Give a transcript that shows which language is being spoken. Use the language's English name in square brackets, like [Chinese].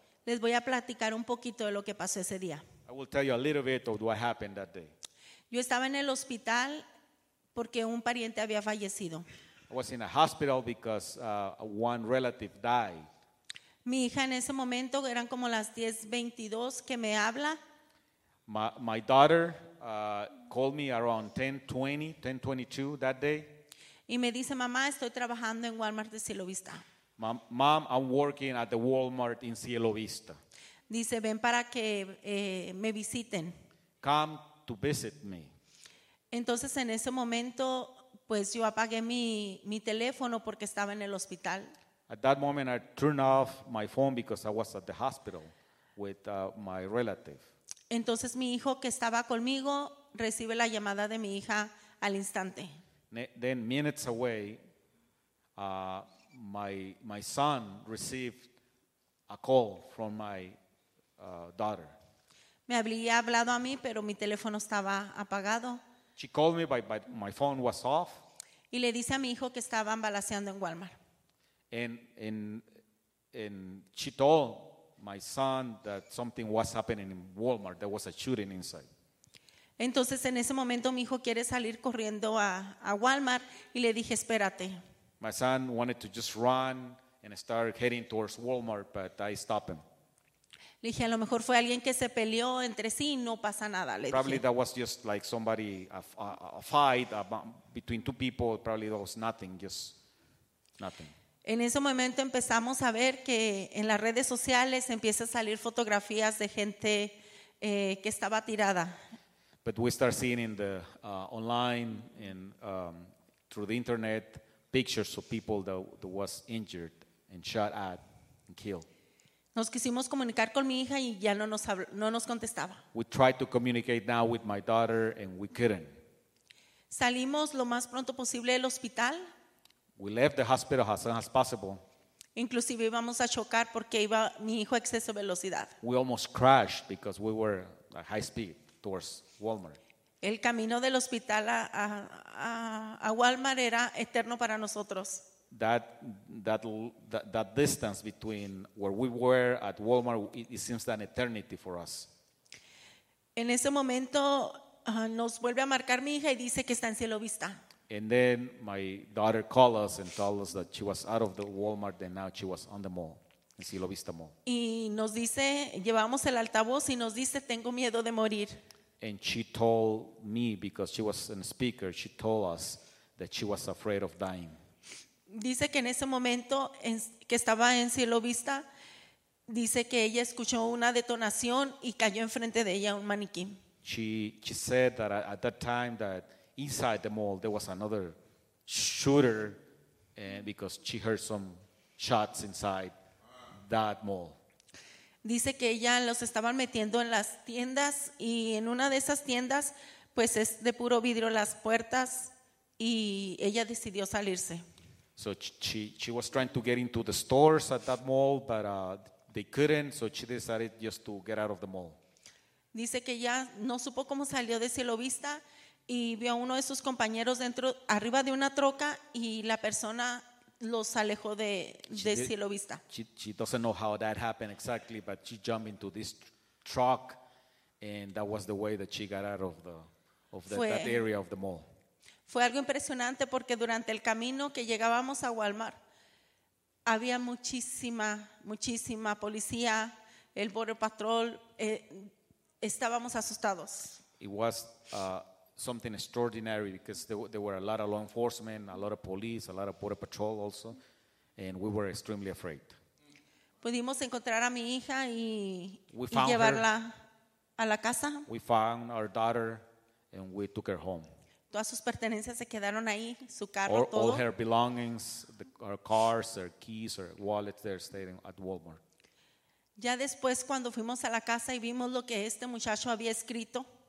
[Spanish] Les voy a platicar un poquito de lo que pasó ese día. [English] I will tell you a little bit of what happened that day. [Spanish] Yo estaba en el hospital porque un pariente había fallecido. [English] I was in a hospital because one relative died. [Spanish] Mi hija en ese momento eran como las 10:22 que me habla. [English] My daughter called me around 10:22 that day. [Spanish] Y me dice, "Mamá, estoy trabajando en Walmart de Cielo Vista." [English] Mom, I'm working at the Walmart in Cielo Vista. [Spanish] Dice, "Ven para que me visiten." [English] Come to visit me. [Spanish] Entonces en ese momento pues yo apagué mi teléfono porque estaba en el hospital. [English] At that moment I turned off my phone because I was at the hospital with my relative. [Spanish] Entonces mi hijo que estaba conmigo recibe la llamada de mi hija al instante. [English] Then minutes away, my son received a call from my daughter. [Spanish] Me había hablado a mí, pero mi teléfono estaba apagado. [English] She called me, but my phone was off. [Spanish] Y le dice a mi hijo que estaban balaceando en Walmart. [English] And she told my son that something was happening in Walmart. There was a shooting inside. [Spanish] Entonces, en ese momento, mi hijo quiere salir corriendo a Walmart y le dije, espérate. [English] My son wanted to just run and start heading towards Walmart, but I stopped him. [Spanish] Le dije, a lo mejor fue alguien que se peleó entre sí y no pasa nada, le [English] probably [Spanish] dije. [English] Probably that was just like somebody, a fight between two people, probably that was nothing, just nothing. [Spanish] En ese momento empezamos a ver que en las redes sociales empiezan a salir fotografías de gente que estaba tirada. [English] But we start seeing in the online and through the internet pictures of people that was injured and shot at and killed. [Spanish] Nos quisimos comunicar con mi hija y ya no nos contestaba. [English] We tried to communicate now with my daughter and we couldn't. [Spanish] Salimos lo más pronto posible del hospital. [English] We left the hospital as soon as possible. [Spanish] Inclusive íbamos a chocar porque iba mi hijo a exceso de velocidad. [English] We almost crashed because we were at high speed towards Walmart. [Spanish] El camino del hospital a Walmart era eterno para nosotros. [English] That distance between where we were at Walmart, it seems an eternity for us. [Spanish] En ese momento nos vuelve a marcar mi hija y dice que está en cielo vista. [English] And then my daughter called us and told us that she was out of the Walmart and now she was on the mall. Cielo Vista Mall. [Spanish] Y nos dice, llevamos el altavoz y nos dice, tengo miedo de morir. [English] And she told me, because she was a speaker, she told us that she was afraid of dying. [Spanish] Dice que en ese momento que estaba en Cielo Vista, dice que ella escuchó una detonación y cayó enfrente de ella un maniquí. [English] She said that at that time that inside the mall there was another shooter because she heard some shots inside that mall. [Spanish] Dice que ya los estaban metiendo en las tiendas y en una de esas tiendas pues es de puro vidrio las puertas y ella decidió salirse. [English] So she was trying to get into the stores at that mall, but they couldn't, so she decided just to get out of the mall. [Spanish] Dice que ya no supo cómo salió de Cielo Vista y vio a uno de sus compañeros dentro arriba de una troca y la persona los alejó de Cielo Vista. [English] She doesn't know how that happened exactly, but she jumped into this truck, and that was the way that she got out of that area of the mall. [Spanish] Fue algo impresionante porque durante el camino que llegábamos a Walmart había muchísima policía, el Border Patrol, estábamos asustados. [English] It was something extraordinary because there were a lot of law enforcement, a lot of police, a lot of Border Patrol also, and we were extremely afraid. [Spanish] Pudimos encontrar a mi hija y llevarla a la casa. [English] We found our daughter and we took her home. [Spanish] Todas sus pertenencias se quedaron ahí, su carro, [English] all, [Spanish] todo. [English] All her belongings, her cars, her keys, her wallets, they're staying at Walmart. [Spanish] Ya después, cuando fuimos a la casa y vimos lo que este muchacho había escrito,